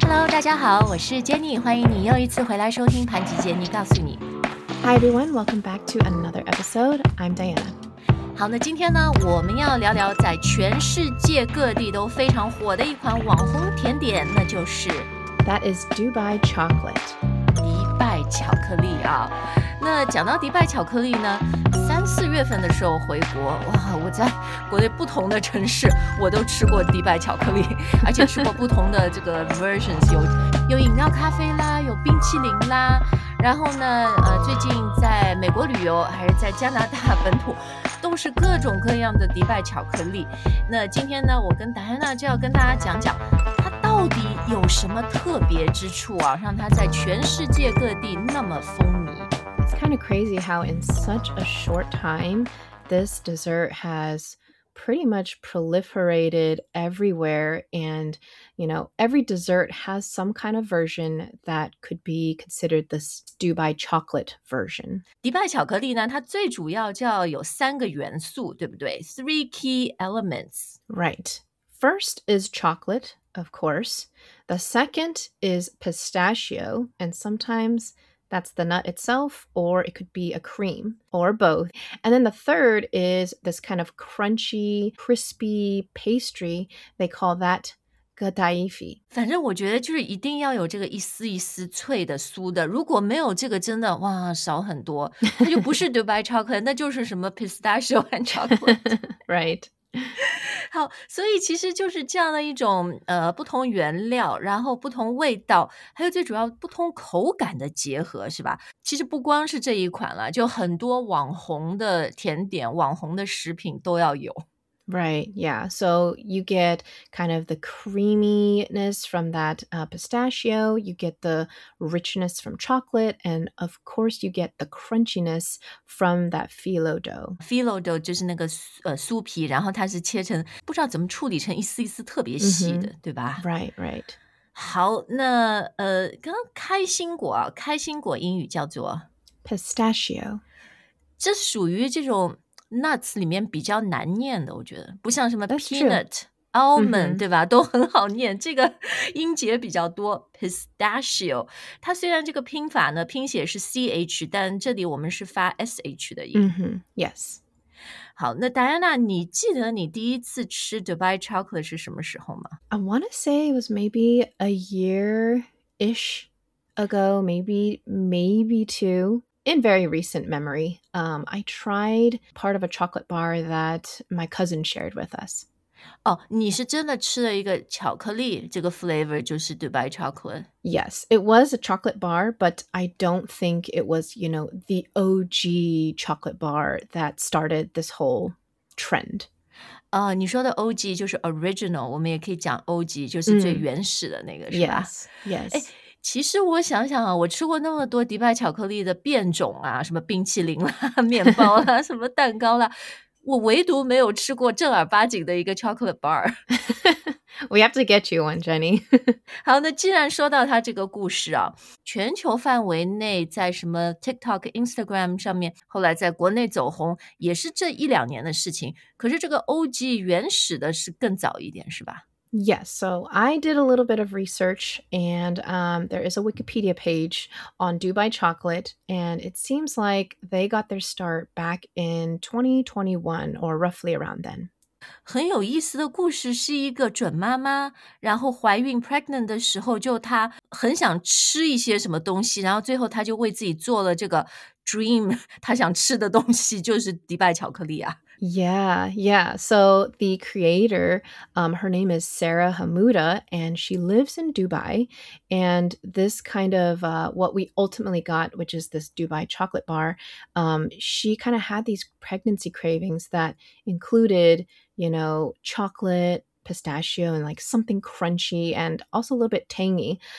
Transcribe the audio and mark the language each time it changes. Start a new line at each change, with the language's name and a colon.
Chinese: 大家好，我是 Jenny， 欢迎你又一次回来收听盘吉杰尼告诉你。
English: Hi everyone, welcome back to another episode. I'm Diana.
Chinese: 好，那今天呢，我们要聊聊在全世界各地都非常火的一款网红甜点，那就是
English: That is Dubai Chocolate.
Chinese: 迪拜巧克力啊。那讲到迪拜巧克力呢，三四月份的时候回国，哇，我在国内不同的城市我都吃过迪拜巧克力，而且吃过不同的这个 versions， 有饮料咖啡啦，有冰淇淋啦，然后呢最近在美国旅游还是在加拿大本土都是各种各样的迪拜巧克力。那今天呢，我跟达安娜就要跟大家讲讲它到底有什么特别之处啊，让它在全世界各地那么风靡。
English: Kind of crazy how in such a short time this dessert has pretty much proliferated everywhere, and you know, every dessert has some kind of version that could be considered this Dubai chocolate version.
Chinese: 迪拜巧克力呢，它最主要叫有三个元素，对不对？
English: Three key elements. Right. First is chocolate, of course. The second is pistachio, and sometimes. That's the nut itself, or it could be a cream, or both. And then the third is this kind of crunchy, crispy pastry. They call that gataifi.
Chinese: 反正我觉得就是一定要有这个一丝一丝脆的酥的，如果没有这个真的，哇，少很多。它就不是 Dubai chocolate, 那就是什么
English: pistachio and chocolate. Right.
Chinese: 好，所以其实就是这样的一种不同原料，然后不同味道，还有最主要不同口感的结合，是吧？其实不光是这一款了，就很多网红的甜点、网红的食品都要有。
English: Right, yeah. So you get kind of the creaminess from that pistachio, you get the richness from chocolate, and of course you get the crunchiness from that phyllo dough.
Chinese: Phyllo dough 就是那个酥皮，然后它是切成不知道怎么处理成一丝一丝特别细的、mm-hmm. 对吧？
English: Right, right.
Chinese: 好，那刚刚开心果，开心果英语叫做
English: pistachio.
Chinese: 这属于这种Nuts 里面比较难念的，我觉得不像什么 peanut、almond、对吧？都很好念，这个音节比较多。Pistachio， 它虽然这个拼法呢拼写是 ch， 但这里我们是发 sh 的音。
English: Yes。
Chinese: 好，那 Diana， 你记得你第一次吃 Dubai chocolate 是什么时候吗
English: ？I want to say it was maybe a year ish ago, maybe two. In very recent memory, I tried part of a chocolate bar that my cousin shared with us.
Chinese: Oh, 你是真的吃了一个巧克力，这个 flavor 就是 Dubai chocolate.
English: Yes, it was a chocolate bar, but I don't think it was, you know, the OG chocolate bar that started this whole trend.
Chinese: 你说的 OG 就是 original, 我们也可以讲 OG, 就是最原始的那个，是吧？
English: Yes, yes.
Chinese: 其实我想想啊，我吃过那么多迪拜巧克力的变种啊，什么冰淇淋啦、面包啦、什么蛋糕啦，我唯独没有吃过正儿八经的一个 chocolate bar。
English: We have to get you one, Jenny.
Chinese: 好，那既然说到他这个故事啊，全球范围内在什么 TikTok、Instagram 上面，后来在国内走红，也是这一两年的事情。可是这个 OG 原始的是更早一点，是吧？
English: Yes, so I did a little bit of research, and there is a Wikipedia page on Dubai Chocolate, and it seems like they got their start back in 2021, or roughly around then.
Chinese: 很有意思的故事是一个准妈妈，然后怀孕 pregnant 的时候，就她很想吃一些什么东西，然后最后她就为自己做了这个 dream, 她想吃的东西就是迪拜巧克力啊。
English: Yeah, yeah. So the creator, her name is Sarah Hamouda, and she lives in Dubai. And this kind of what we ultimately got, which is this Dubai chocolate bar, she kind of had these pregnancy cravings that included, you know, chocolate, pistachio, and like something crunchy and also a little bit tangy.